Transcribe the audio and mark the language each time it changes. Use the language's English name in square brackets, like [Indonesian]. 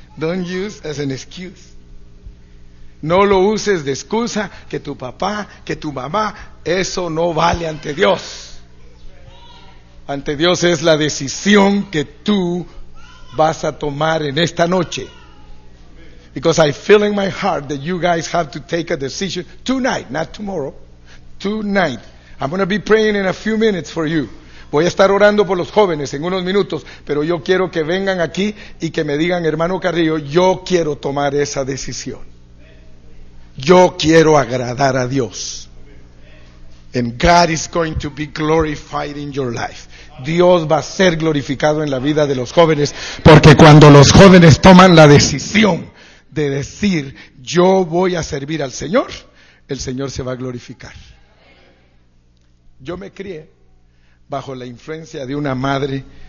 [English] Don't use as an excuse. [Spanish] No lo uses de excusa que tu papá, que tu mamá, eso no vale ante Dios. Ante Dios es la decisión que tú vas a tomar en esta noche. [English] Because I feel in my heart that you guys have to take a decision tonight, not tomorrow. Tonight. I'm going to be praying in a few minutes for you. [Spanish] Voy a estar orando por los jóvenes en unos minutos, pero yo quiero que vengan aquí y que me digan, hermano Carrillo, yo quiero tomar esa decisión. Yo quiero agradar a Dios. [English] And God is going to be glorified in your life. [Spanish] Dios va a ser glorificado en la vida de los jóvenes, porque cuando los jóvenes toman la decisión de decir, yo voy a servir al Señor, el Señor se va a glorificar. Yo me crié bajo la influencia de una madre.